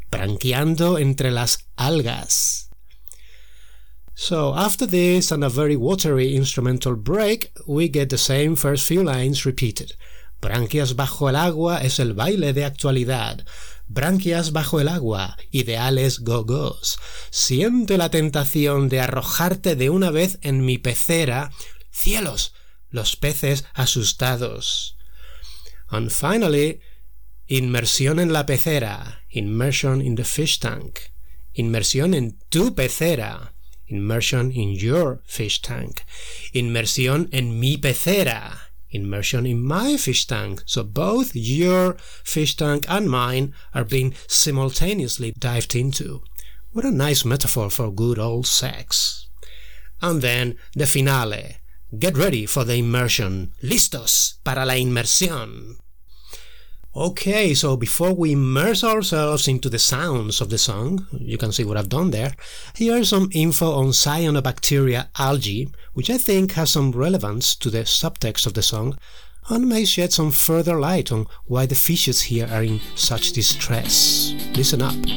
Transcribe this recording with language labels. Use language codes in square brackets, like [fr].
[es] Branqueando entre las algas. [en] So, after this and a very watery instrumental break, we get the same first few lines repeated. [es] Branquias bajo el agua es el baile de actualidad. Branquias bajo el agua, ideales go-go's. Siente la tentación de arrojarte de una vez en mi pecera. Cielos, los peces asustados. [en] And finally, [es] inmersión en la pecera, [en] immersion in the fish tank, [es] inmersión en tu pecera, [en] immersion in your fish tank, [es] inmersión en mi pecera, [en] immersion in my fish tank. So both your fish tank and mine are being simultaneously dived into. What a nice metaphor for good old sex. And then the finale. Get ready for the immersion. [es] Listos para la inmersión. [en] Okay, so before we immerse ourselves into the sounds of the song, you can see what I've done there, here's some info on cyanobacteria algae, which I think has some relevance to the subtext of the song, and may shed some further light on why the fishes here are in such distress. Listen up.